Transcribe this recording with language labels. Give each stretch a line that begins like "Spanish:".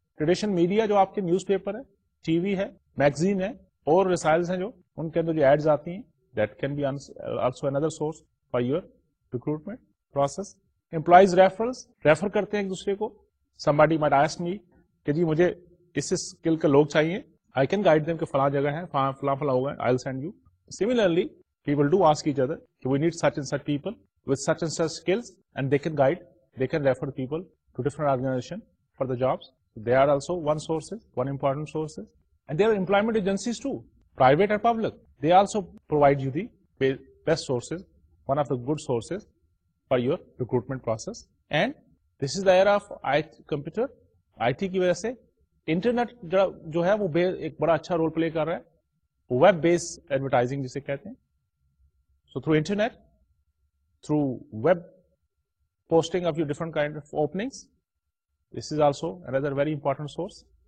Urdu: Traditional media جو آپ کے نیوز پیپر ہے, ٹی وی ہے, میگزین ہے اور رسائلز ہیں, جو ان کے اندر جو ایڈز آتی ہیں,
English: That can be also another source for your recruitment process. Employees referrals,
Urdu: refer کرتے ہیں ایک دوسرے کو.
English: somebody might ask me
Urdu: کہ جی مجھے اس اسکل کے لوگ چاہیے,
English: I can guide them
Urdu: کہ فلاں جگہ ہے, فلاں فلاں ہوگا,
English: I will send you. Similarly people do ask each other کہ we need such and such people with such and such skills, and they can guide, they can refer people to different organization for the jobs. They are also one sources, one important sources. And they are employment agencies too, private and public, they also provide you the best sources, one of the good sources for your recruitment process. And this is the year of I computer,
Urdu: I T کی وجہ سے internet جو ہے وہ ایک بڑا اچھا role play کر رہا ہے, ویب بیس ایڈورٹائزنگ جسے کہتے ہیں.
English: So through internet, through web posting of your different kind of openings, this is also اندر very important source.